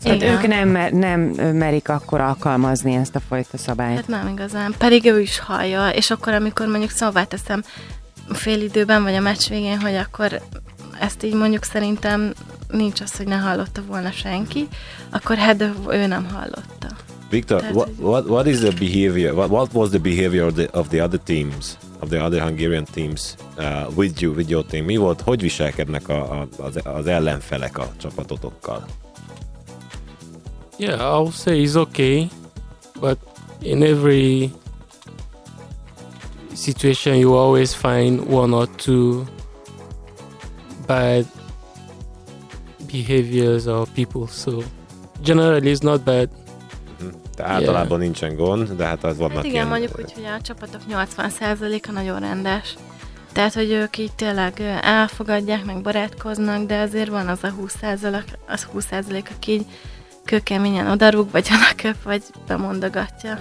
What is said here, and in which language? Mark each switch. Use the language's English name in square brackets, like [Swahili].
[Hungarian] Hát ők nem merik akkor alkalmazni ezt a fajta szabályt. Hát nem igazán, pedig ő is hallja, és akkor amikor mondjuk szóvá teszem fél időben, vagy a meccs végén, hogy akkor ezt így mondjuk szerintem nincs az, hogy ne hallotta volna senki, akkor hát ő nem hallotta. [English] Viktor, what is the behavior? What was the behavior of the other teams, of the other Hungarian teams with your team? [Hungarian] Mi volt? Hogy viselkednek az ellenfelek a csapatotokkal? [English] Yeah, I would say it's okay, but in every situation you always find one or two bad behaviors or people. So generally it's not bad. [Hungarian] Tehát általában nincsen gond, de hát az vannak hát igen, ilyen... mondjuk úgy, hogy a csapatok 80%-a nagyon rendes. Tehát, hogy ők így tényleg elfogadják, meg barátkoznak, de azért van az a 20%, aki így kőkeményen odarúg, vagy odaköp, vagy bemondogatja.